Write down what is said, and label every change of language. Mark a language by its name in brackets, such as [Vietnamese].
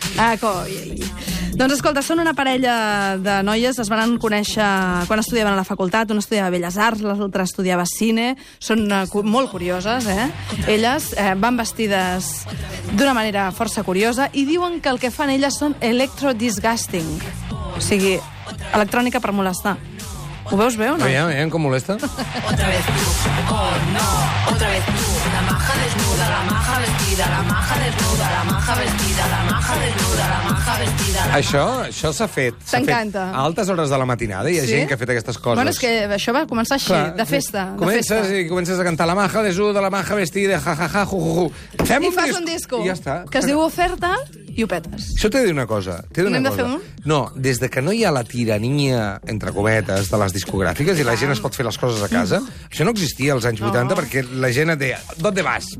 [Catalan] Ah, coi. Doncs escolta, són una parella de noies, es van conèixer quan estudiaven a la facultat, una estudiava Belles Arts, l'altra estudiava Cine, són molt curioses, eh? Elles van vestides d'una manera força curiosa i diuen que el que fan elles són electro-disgusting, o sigui, electrònica per molestar. Ho veus bé o no? Veiem com molesta. [Spanish] Otra vez tú, oh no, otra vez tú. La maja desnuda, la maja vestida, la maja desnuda, la maja vestida, la maja desnuda, la maja vestida. La... [Catalan] Això s'ha fet. T'encanta. A altes hores de la matinada hi ha gent que ha fet aquestes coses. Bueno, és que això va començar així, de festa. Comences i comences a cantar [Spanish] la maja desnuda, la maja vestida, [Catalan] ja, ju, ju, ju. Fem un disco. I fas un disco. I ja està. Que es diu Oferta... I ho petes. Això t'he de dir una cosa. T'he de dir una cosa. No, des de que no hi ha la tirania, entre cometes, de les discogràfiques i la gent es pot fer les coses a casa, això no existia als anys 80 perquè la gent et deia, d'on vas?